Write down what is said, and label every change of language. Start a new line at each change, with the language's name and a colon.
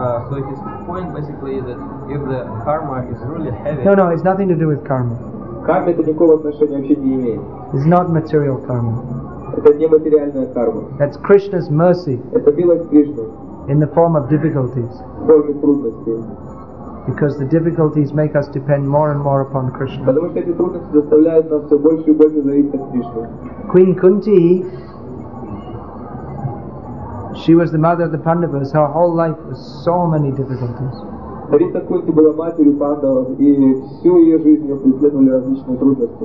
English: So his point basically is that if the karma is really heavy... No, it's nothing to do with karma.
Russian: Карма это никакого отношения вообще не имеет.
English: It's not material karma.
Russian: Это не материальная карма.
English: That's Krishna's mercy.
Russian: Это милость Кришны.
English: In the form of difficulties.
Russian: В форме трудностей.
English: Because the difficulties make us depend more and more upon Krishna.
Russian: Потому что эти трудности заставляют нас все больше и больше зависеть от Кришны.
English: Queen Kunti, she was the mother of the Pandavas. Her whole life was so many difficulties.
Russian: Царица Кунти была матерью Пандавов, и всю ее жизнь ее преследовали различные трудности.